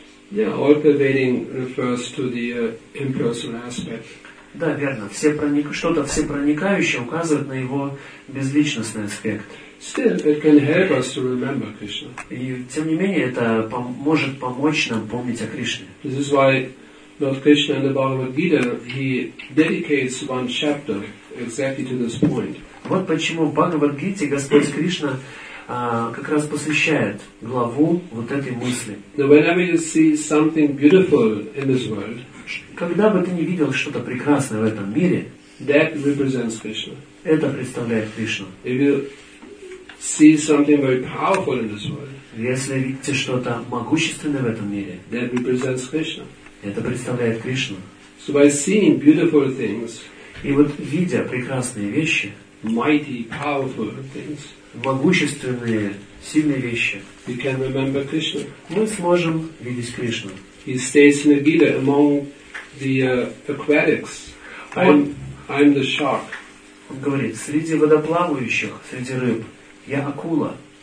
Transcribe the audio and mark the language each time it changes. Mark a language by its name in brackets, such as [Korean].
[English] Yeah, all-pervading refers to the impersonal aspect. [Russian] Да, верно. Что-то всепроникающее указывает на его безличностный аспект. [English] Still, it can help us to remember Krishna. [Russian] И тем не менее это может помочь нам помнить о Кришне. [English] This is why Lord Krishna in the Bhagavad Gita he dedicates one chapter exactly to this point. [Russian] Вот почему в Бхагавад Гите Господь Кришна как раз посвящает главу вот этой мысли. [English] Whenever you see something beautiful in this world, [Russian] когда бы ты не видел что-то прекрасное в этом мире, [English] that represents Krishna. [Russian] Это представляет Кришну. [English] If you see something very powerful in this world, [Russian] если видите что-то могущественное в этом мире, [English] that represents Krishna. [Russian] Это представляет Кришну. [English] So by seeing beautiful things, [Russian] и вот видя прекрасные вещи, [English] mighty, powerful things, [Russian] могущественные, сильные вещи, [English] we can remember Krishna. [Russian] Мы сможем видеть Кришну. [English] He stays in the Gita among the aquatics. I'm the shark. [Russian] Он говорит, среди водоплавающих, среди рыб, я акула.